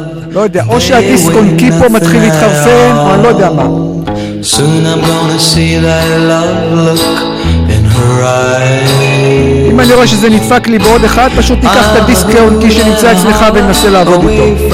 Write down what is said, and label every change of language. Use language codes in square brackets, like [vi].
[he] לא יודע, או שהדיסקון קיפו מתחיל להתחרפן, או אני לא יודע מה. [en] Soon I'm gonna see that love look in her eyes. [he] אני רואה שזה נדפק לי בעוד אחד, פשוט ניקח את הדיסק און קי שנמצא אצלך וננסה לעבוד איתו.